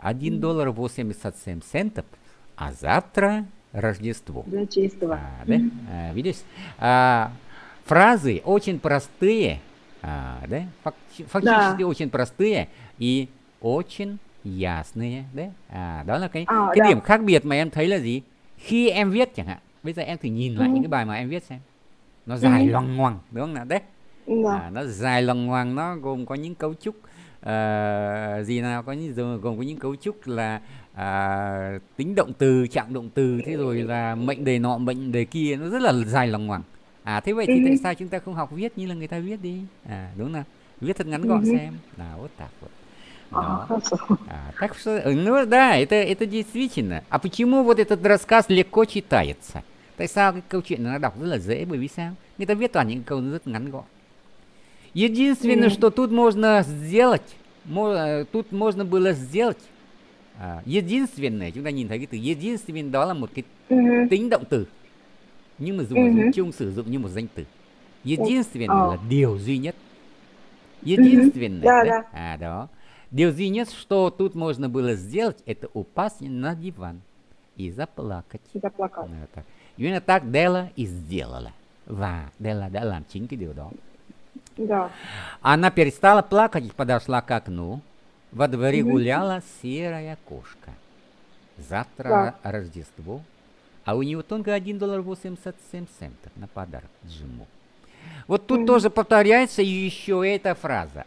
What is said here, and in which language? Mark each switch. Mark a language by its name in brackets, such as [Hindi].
[Russian] Один доллар 87 центов, а завтра Рождество. Для чистого. Да? Видишь? Фразы очень простые, да? Фактически Да. очень простые и очень ясные, да? [Vietnamese] Да, ok. Cái À, điểm đã. khác biệt mà em thấy là gì? Khi em viết chẳng hạn, bây giờ em thử nhìn lại những cái bài mà em viết xem. Nó dài loằng ngoằng, đúng không nào? Đấy. Nó dài loằng ngoằng, nó gồm có những cấu trúc gì nào, có những gồm có những cấu trúc là tính động từ, trạng động từ, thế rồi là mệnh đề nọ, mệnh đề kia, nó rất là dài loằng ngoằng. Thế vậy thì tại sao chúng ta không học viết như là người ta viết đi? Đúng không nào? Viết thật ngắn gọn xem. Nào, tạp vật. Đó. [Russian] Так что, ну да, это действительно. А почему вот этот рассказ легко читается? [Vietnamese] Tại sao cái câu chuyện nó đọc rất là dễ? Bởi vì сам người ta viết toàn những câu rất ngắn gọn. [Russian] Единственное, что тут можно сделать, тут можно было сделать. [Vietnamese] Единственное, chúng ta nhìn thấy cái từ единственное, đó là một cái tính động từ. Nhưng mà dùng ở dùng chung sử dụng như một danh từ. Единственное là điều duy nhất. [Russian] Единственное, đấy, đó. [Vietnamese] Điều duy nhất [Russian] что тут можно было сделать, это упасть на диван и заплакать. Заплакал. Вот так. Именно так Дела и сделала. [Vietnamese] Và Дела đã làm chính cái điều đó. [Russian] Да. Она перестала плакать и подошла к окну. Во дворе гуляла серая кошка. Завтра Да. Рождество, а у нее только 1 доллар 87 центов на подарок Джиму. Вот тут тоже повторяется еще эта фраза.